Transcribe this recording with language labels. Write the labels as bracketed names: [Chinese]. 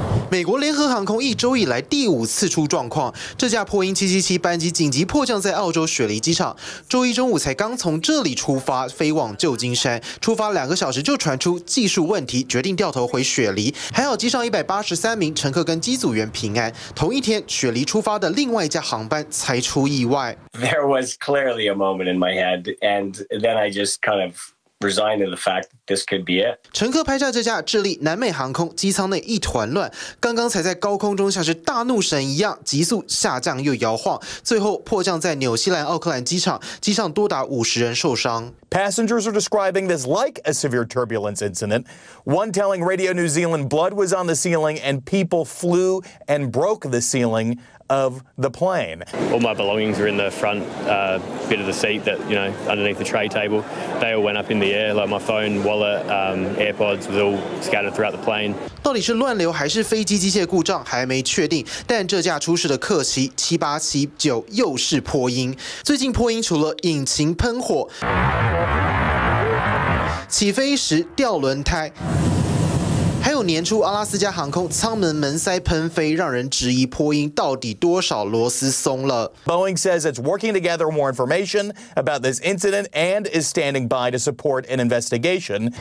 [Chinese] 美国联合航空一周以来第五次出状况，这架波音777班机紧急迫降在澳洲雪梨机场，周一中午才刚从这里出发飞往旧金山，出发2小时就传出技术问题，决定掉头回雪梨。还好机上183名乘客跟机组员平安。同一天，雪梨出发的另外一架航班才出意外。 [English] There was clearly a moment in my head, and then I just kind of. Resigned to the fact that this could be it. [Chinese] 乘客拍下这架智利南美航空机舱内一团乱，刚刚才在高空中像是大怒神一样急速下降又摇晃，最后迫降在纽西兰奥克兰机场，机上多达50人受伤。 [English] Passengers are describing this like a severe turbulence incident. One telling Radio New Zealand blood was on the ceiling and people flew and broke the ceiling. Of the plane. All my belongings were in the front, bit of the seat that, you know, underneath the tray table. They all went up in the air, like my phone, wallet, AirPods was all scattered throughout the plane. [Chinese] 到底是乱流还是飞机机械故障还没确定，但这架出事的客机787又是波音。最近波音除了引擎喷火、起飞时掉轮胎。还有年初阿拉斯加航空舱门门塞喷飞，让人质疑波音到底多少螺丝松了。 [English] Boeing says it's working to gather more information about this incident and is standing by to support an investigation.